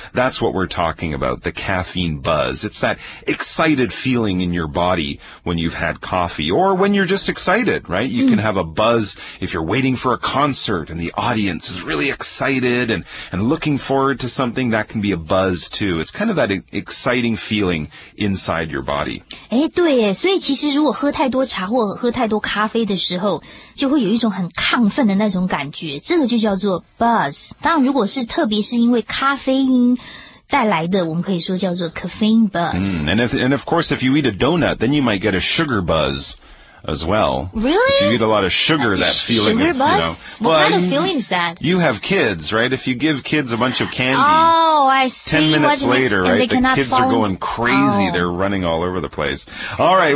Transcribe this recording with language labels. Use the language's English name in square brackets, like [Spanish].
[English] That's what we're talking about, the caffeine buzz. It's that excited feeling in your body when you've had coffee or when you're just excited, right? You can have a buzz if you're waiting for a concert and the audience is really excited and looking forward to something. That can be a buzz too. It's kind of that exciting feeling inside your body. [Chinese] 诶对耶，所以其实如果喝太多茶或喝太多咖啡的时候，就会有一种很亢奋的那种感觉，这个就叫做 buzz。当然如果是特别是因为咖啡因带来的，我们可以说叫做 caffeine buzz。 [English] And of course if you eat a donut, then you might get a sugar buzz as well. Really? If you eat a lot of sugar, that feeling sugar of, buzz? You know, what kind of feeling is that? You have kids, right? If you give kids a bunch of candy, oh, I see. 10 minutes later, right? They the kids are going crazy. Oh. They're running all over the place. All right.